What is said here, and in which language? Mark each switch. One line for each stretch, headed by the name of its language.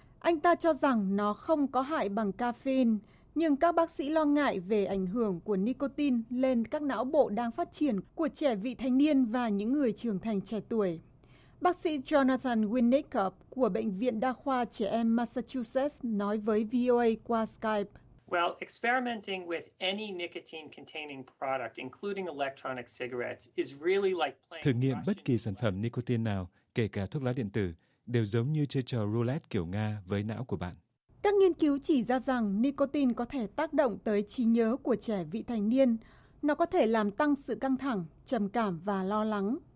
Vietnamese: Anh ta cho rằng nó không có hại bằng caffeine, nhưng các bác sĩ lo ngại về ảnh hưởng của nicotine lên các não bộ đang phát triển của trẻ vị thanh niên và những người trưởng thành trẻ tuổi. Bác sĩ Jonathan Winnicott của Bệnh viện Đa khoa Trẻ em Massachusetts nói với VOA qua Skype.
English: Well, experimenting with any nicotine-containing product, including electronic cigarettes, is really like playing.
Vietnamese: Thử nghiệm bất kỳ sản phẩm nicotine nào, kể cả thuốc lá điện tử, đều giống như chơi trò roulette kiểu Nga với não của bạn. Các nghiên cứu chỉ ra rằng nicotine có thể tác động tới trí nhớ của trẻ vị thành niên. Nó có thể làm tăng sự căng thẳng, trầm cảm và lo lắng.